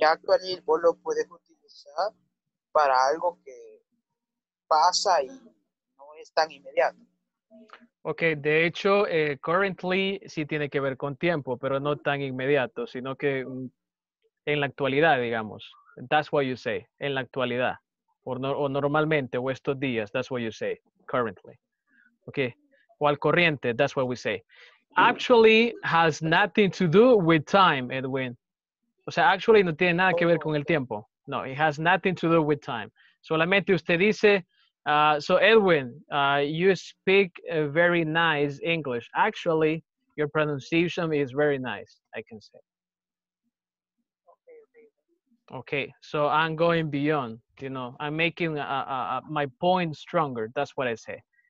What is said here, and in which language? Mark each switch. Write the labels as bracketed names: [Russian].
[Spanish] Y actualmente vos lo puedes utilizar para algo que pasa y no es tan inmediato. Ok, de hecho, currently sí tiene que ver con tiempo, pero no tan inmediato, sino que en la actualidad, digamos. [English] That's what you say, [Spanish] en la actualidad. O normalmente, o estos días, [English] that's what you say, currently. Ok, [Spanish] o al corriente, [English] that's what we say. Actually has nothing to do with time, Edwin. [Spanish] O sea, actually no tiene nada que ver con el tiempo. [English] No, it has nothing to do with time. [Spanish] Solamente usted dice... [English] So Edwin, you speak a very nice English. Actually, your pronunciation is very nice, I can say. Okay, Okay, so I'm going beyond, you know, I'm making my point stronger. That's what I say.